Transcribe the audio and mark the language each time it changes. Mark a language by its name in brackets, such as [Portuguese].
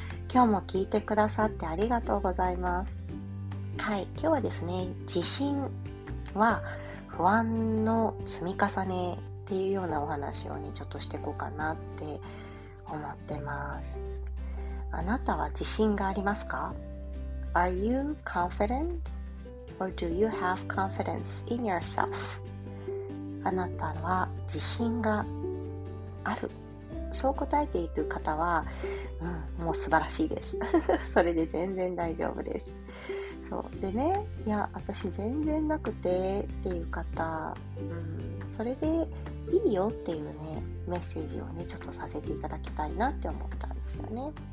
[Japanese] 今日も聞いてくださってありがとうございます。はい、今日はですね、自信は不安の積み重ねっていうようなお話をねちょっとしていこうかなって思ってます。あなたは自信がありますか? [English] Are you confident? Or do you have confidence in yourself? [Japanese] あなたは自信がある。そう答えている方は、もう素晴らしいです。それで全然大丈夫です。そう。でね、私全然なくてっていう方、それでいいよっていうね、メッセージをね、ちょっとさせていただきたいなって思ったんですよね。